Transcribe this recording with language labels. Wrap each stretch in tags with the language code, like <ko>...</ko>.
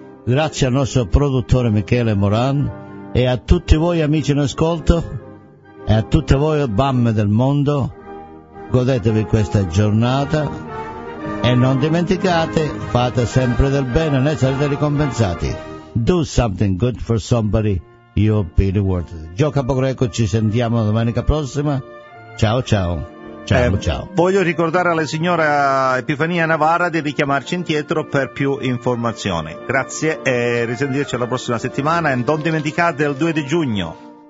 <it>Grazie al nostro produttore Michele Moran e a tutti voi amici in ascolto e a tutte voi mamme del mondo, godetevi questa giornata e non dimenticate, fate sempre del bene, ne sarete ricompensati.</it> <en>Do something good for somebody, you'll be rewarded.</en> <it>Gio Capogreco, ci sentiamo domenica prossima. Ciao ciao. Ciao. Voglio ricordare alla signora Epifania Navara di richiamarci indietro per più informazioni. Grazie e risentirci la prossima settimana e non dimenticate il 2 di giugno.</it>